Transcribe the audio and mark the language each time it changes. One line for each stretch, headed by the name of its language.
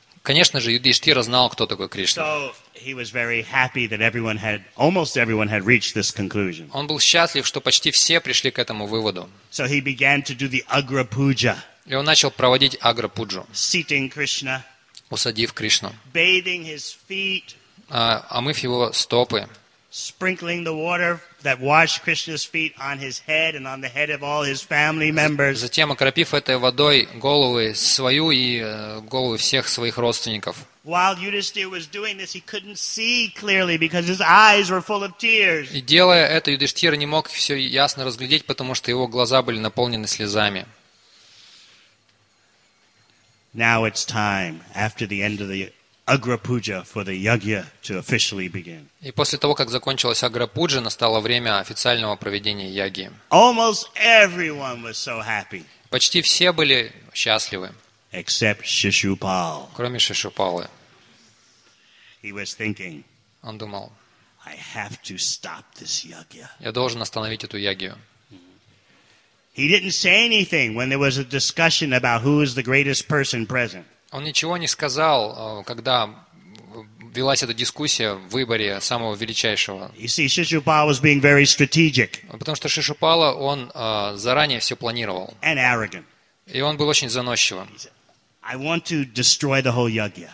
Russian: Конечно же, Юдхиштхира знал, кто такой Кришна.
English: He was very happy that everyone had, almost everyone had reached this conclusion.
Russian: Он был счастлив, что почти все пришли к этому выводу.
English: So he began to do the Agra Puja.
Russian: И он начал проводить Агра Пуджу.
English: Seating Krishna.
Russian: Усадив Кришну.
English: Bathing his feet.
Russian: Омыв его стопы.
English: Sprinkling the water that washed Krishna's feet on his head and on the head of all his family members.
Russian: Затем окропив этой водой головы свою и головы всех своих родственников.
English: While Yudhishthira was doing this, he couldn't see clearly because his eyes were full of tears.
Russian: И делая это, Юдхиштхира не мог все ясно разглядеть, потому что его глаза были наполнены слезами.
English: Now it's time after the end of the Agra Puja for the yagya to officially begin.
Russian: И после того, как закончилась Агра Пуджа, настало время официального проведения яги.
English: Almost everyone was so happy.
Russian: Почти все были счастливы.
English: Except Shishupal.
Russian: Кроме Шишупалы.
English: He was thinking.
Russian: Он думал.
English: I have to stop this yagya.
Russian: Я должен остановить эту ягью.
English: He didn't say anything when there was a discussion about who is the greatest person present.
Russian: Он ничего не сказал, когда велась эта дискуссия в выборе самого величайшего.
English: Shishupala was being very strategic.
Russian: Потому что Шишупала, он заранее все планировал.
English: And arrogant.
Russian: И он был очень заносчивым.
English: I want to destroy the whole yagya.